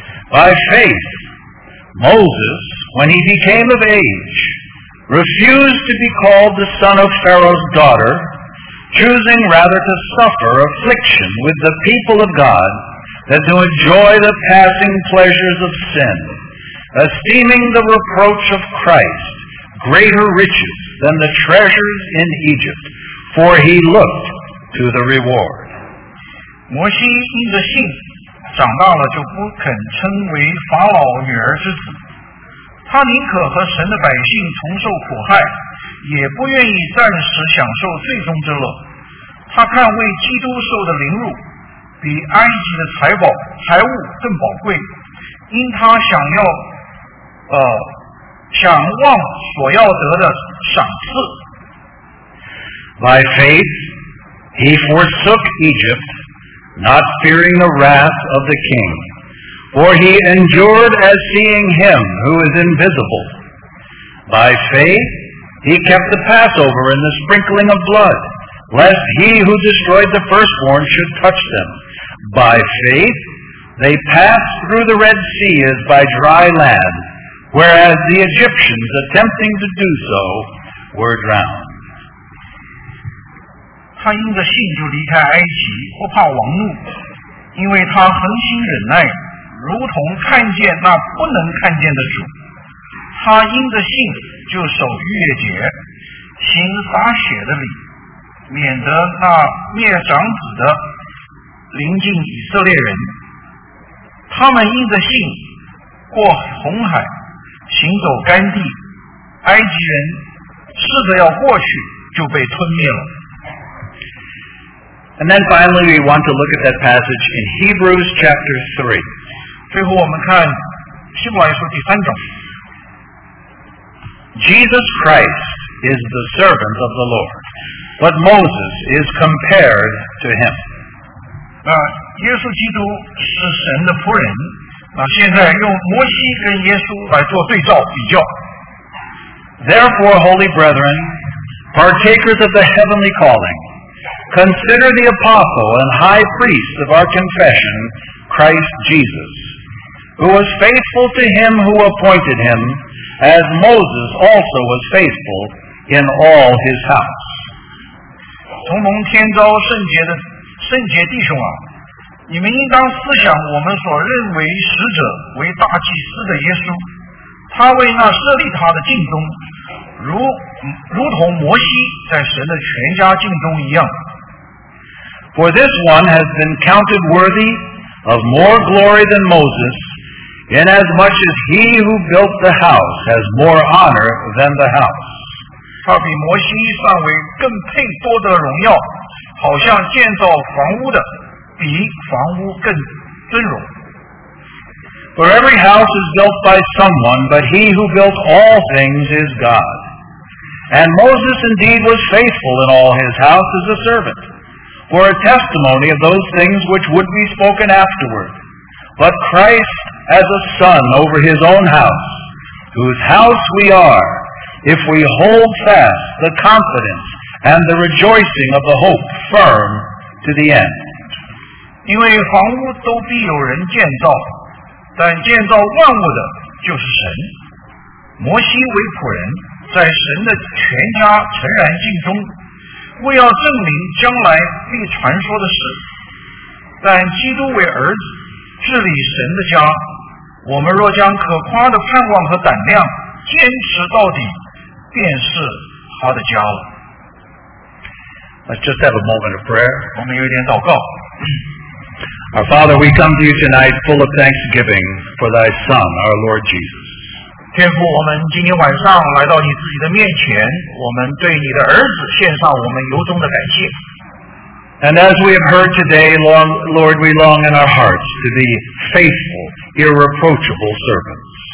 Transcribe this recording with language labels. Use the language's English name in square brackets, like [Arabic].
[English] By faith, Moses, when he became of age, refused to be called the son of Pharaoh's daughter,choosing rather to suffer affliction with the people of God than to enjoy the passing pleasures of sin, esteeming the reproach of Christ greater riches than the treasures in Egypt, for he looked to the reward. [Chinese] 摩西因着信长大了就不肯称为法老女儿之子，他宁可和神的百姓同受苦害，也不愿意暂时享受最终之乐。他看为基督受的凌辱比埃及的财物更宝贵，因他想要想望所要得的赏赐。 [English] By faith he forsook Egypt, not fearing the wrath of the king, for he endured as seeing him who is invisible. By faithHe kept the Passover and the sprinkling of blood, lest he who destroyed the firstborn should touch them. By faith, they passed through the Red Sea as by dry land, whereas the Egyptians, attempting to do so, were drowned. [Chinese] 他因着信就离开埃及，不怕王怒，因为他恒心忍耐，如同看见那不能看见的主。他因着信就守逾越节，行洒血的礼，免得那灭长子的临近以色列人。他们因着信过红海，行走干地，埃及人试着要过去就被吞灭了。 [English] And then finally we want to look at that passage in Hebrews chapter 3. [Chinese] 最后我们看希伯来书第三章。 [English] Jesus Christ is the servant of the Lord, but Moses is compared to him. [Chinese] 耶稣基督是神的仆人，那现在用摩西跟耶稣来做对照比较。 [English] Therefore, holy brethren, partakers of the heavenly calling, consider the apostle and high priest of our confession, Christ Jesus, who was faithful to him who appointed him, as Moses also was faithful in all his house. [Chinese] 同盟天召圣洁的圣洁弟兄啊，你们应当思想我们所认为使者为大祭司的耶稣，他为那设立他的敬宗，如同摩西在神的全家敬宗一样。 [English] For this one has been counted worthy of more glory than Moses, inasmuch as he who built the house has more honor than the house. [Chinese] 他比摩西算为更配多得荣耀，好像建造房屋的比房屋更尊荣。 [English] For every house is built by someone, but he who built all things is God. And Moses indeed was faithful in all his house as a servant, for a testimony of those things which would be spoken afterward. But Christ as a son over his own house, whose house we are, if we hold fast the confidence and the rejoicing of the hope firm to the end. [Chinese] 因为房屋都必有人建造，但建造万物的就是神。摩西为仆人，在神的全家诚然敬忠，为要证明将来必传说的事。但基督为儿子，治理神的家，我们若将可夸的盼望和胆量坚持到底，便是他的家了。 [English] Let's just have a moment of prayer. [Chinese] 我们有一点祷告。 [English] Our Father, we come to you tonight full of thanksgiving for thy Son, our Lord Jesus. [Chinese] 天父，我们今天晚上来到你自己的面前，我们对你的儿子献上我们由衷的感谢。 [English] And as we have heard today, Lord, we long in our hearts to be faithful, irreproachable servants.